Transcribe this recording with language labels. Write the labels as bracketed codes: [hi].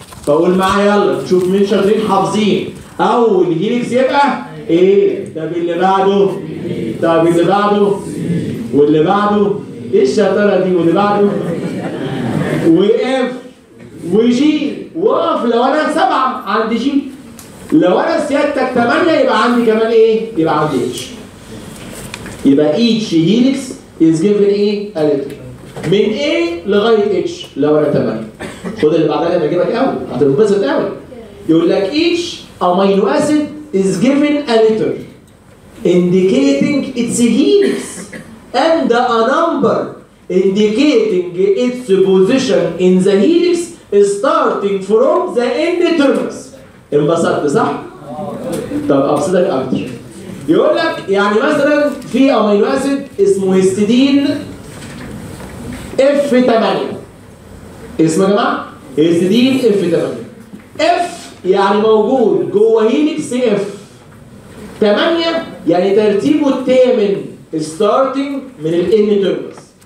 [ar] فقول معايا يلا تشوف مين شاطرين حافظين أول helix يبقى ايه طب اللي بعده طب اللي بعده واللي بعده ايه الشطارة دي واللي بعده وقف وجي وقف. لو انا سبعة عندي جي لو انا سيادتك تمانية يبقى عندي كمان ايه يبقى عندي اتش. يبقى اتش هيليكس [en] is given [ar] ايه قالت من ايه لغاية اتش لو انا تمانية. خد اللي بعدها لما اجيبك قوي هتنبسط قوي. يقول لك اتش امينو اسيد [en] is given a letter indicating its helix and a number indicating its position in the helix starting from the end terms. [ar] انبسطت صح؟ طب ابسطك اكتر. يقول لك يعني مثلا في امينو اسيد اسمه هيستيدين اف 8 اسمه يا جماعه هيستيدين اف 8 اف يعني موجود جوه هيليكس اف 8 يعني ترتيبه الثامن [en] starting [ar] من الان terms.